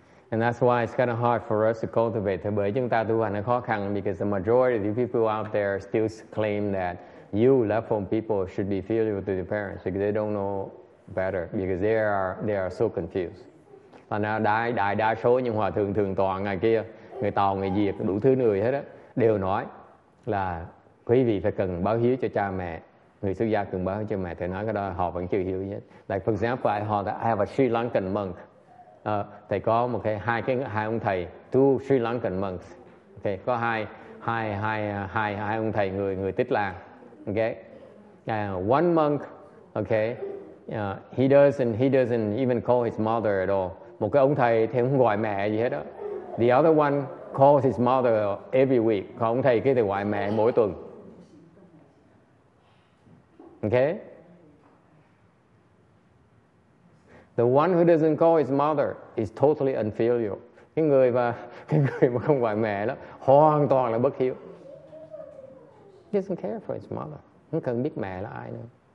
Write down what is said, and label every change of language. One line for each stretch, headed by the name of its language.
English: And that's why it's kind of hard for us to cultivate.
Vietnamese: Bởi chúng ta tu hành nó khó khăn,
English: because the majority of the people out there still claim that you, left home people, should be filial to the parents, because they don't know better, because they are so confused.
Vietnamese: Và nó đại đa số những hòa thượng thường tọa ngày kia, người Tàu, người Việt, đủ thứ người hết á, đều nói là quý vị phải cần báo hiếu cho cha mẹ, người xuất gia cần báo hiếu cho mẹ. Thì nói cái đó họ vẫn chưa hiểu hết.
English: Like for example, I have a Sri Lankan monk.
Vietnamese: Thầy có một cái hai ông thầy,
English: two Sri Lankan monks.
Vietnamese: Okay, có hai ông thầy người Tích Lan.
English: Okay, one monk. Okay, he doesn't even call his mother at all.
Vietnamese: Một cái ông thầy thì không gọi mẹ gì hết đó.
English: The other one calls his mother every week.
Vietnamese: Còn ông thầy kia thì gọi mẹ mỗi tuần. Okay.
English: The one who doesn't call his mother is totally unfilial.
Vietnamese: Cái người mà không gọi mẹ đó hoàn toàn là bất hiếu.
English: He doesn't care for his mother.
Vietnamese: Không cần biết mẹ là ai nữa.